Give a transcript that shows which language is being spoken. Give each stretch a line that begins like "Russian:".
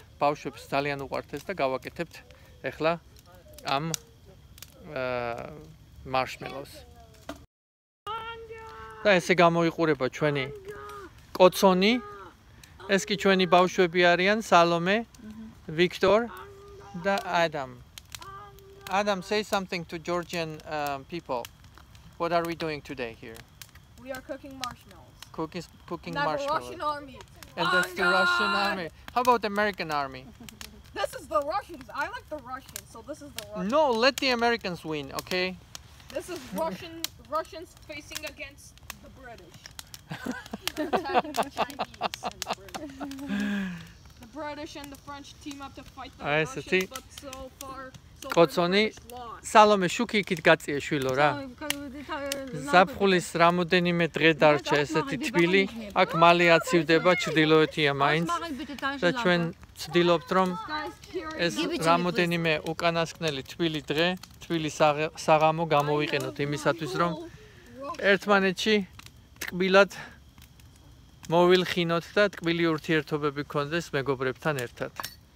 Georgian: ბავშვებს ძალიან უყვართ ეს და გავაკეთებთ ახლა ამ მარშმელოს. და ესე გამოიყურება ჩვენი კოცონი. ეს კი ჩვენი ბავშვები არიან, სალომე, ვიქტორ და ადამ.
English: Adam, say something to Georgian people. What are we doing today here? We are cooking marshmallows. Cooking marshmallows. That's the Russian army. And that's the Russian army. How about the American army? This is the Russians. I like the Russians, so this is the Russians. No, let the Americans win, okay? This is Russian Russians facing against the British. The British and the French team up to fight the Russians, but so far...
Georgian: კოცონი, სალომე, შუქი იქით გაწიე შვილო რა. ზაფხულის რამოდენიმე დღე დარჩა, ესეთი თბილი, აქ მალე აცივდება ჩრდილოეთია მაინც. და ჩვენ ვცდილობთ, რომ ეს რამოდენიმე უკანასკნელი თბილი დღე, თბილი საღამო გამოვიყენოთ იმისათვის, რომ ერთმანეთში ტკბილად მოვილხინოთ და ტკბილი ურთიერთობები ქონდეს მეგობრებთან ერთად.